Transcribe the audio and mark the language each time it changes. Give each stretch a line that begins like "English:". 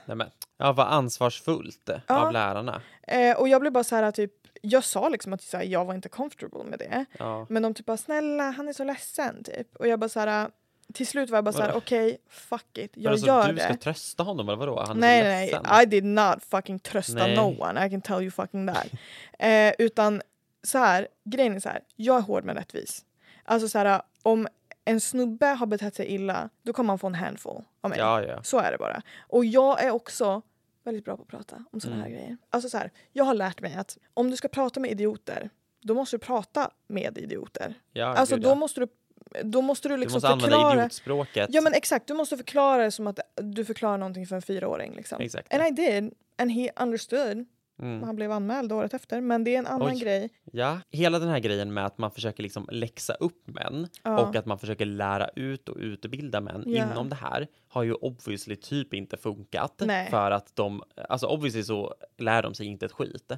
Swedish: Nämen. Ja, vad ansvarsfullt av lärarna. Och jag blev bara så här typ, jag sa liksom att jag var inte comfortable med det. Ja. Men de typ bara, snälla, han är så ledsen typ. Och jag bara så här, till slut var jag bara så här, okej,
English: fuck it.
Swedish: Jag alltså, gör du det. Du ska trösta honom eller vadå? Han nej, är nej, nej.
English: I did not fucking trösta no one. I can tell you fucking that.
Swedish: Utan så här, grejen är så här, jag är hård men rättvis. Alltså så här, om en snubbe har betett sig illa, då kommer man få en handful av mig. Ja, ja. Så är det bara. Och jag är också väldigt bra på att prata om sådana här grejer. Alltså så här, jag har lärt mig att om du ska prata med idioter, då måste du prata med idioter. Ja, alltså gud, då måste du liksom förklara. Du måste förklara, använda idiotspråket. Ja men exakt, du måste förklara det som att du förklarar någonting för en 4-åring liksom. Exakt.
English: And I did, and he understood. Mm.
Swedish: Han blev anmäld året efter, men det är en annan grej. Ja, hela den här grejen med att man försöker liksom läxa upp män och att man försöker lära ut och utbilda män inom det här har ju obviously typ inte funkat. Nej. För att de, alltså obviously så lär de sig inte ett skit.